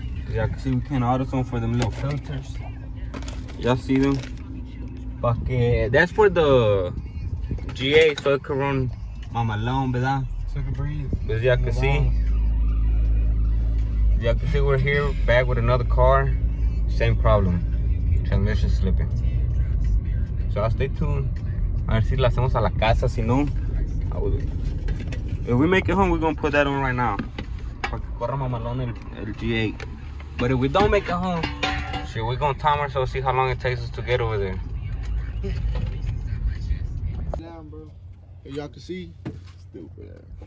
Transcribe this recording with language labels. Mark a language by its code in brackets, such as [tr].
[en] Y'all can see we can't auto zone for them little filters. Y'all see them? That's for the GA so it can run [es] mama leona, ¿verdad? [en] So it can breathe. But y'all can see. Y'all can see we're here back with another car. Same problem. Transmission slipping. So I'll stay tuned. [es] A ver si la hacemos a la casa, si no. [en] If we make it home, we're gonna put that on right now. [es] Para que corra mamalón el G8. [en] But if we don't make it home, shit, we're gonna time ourselves, see how long it takes us to get over there. Damn, bro. Hey, y'all can see. Stupid.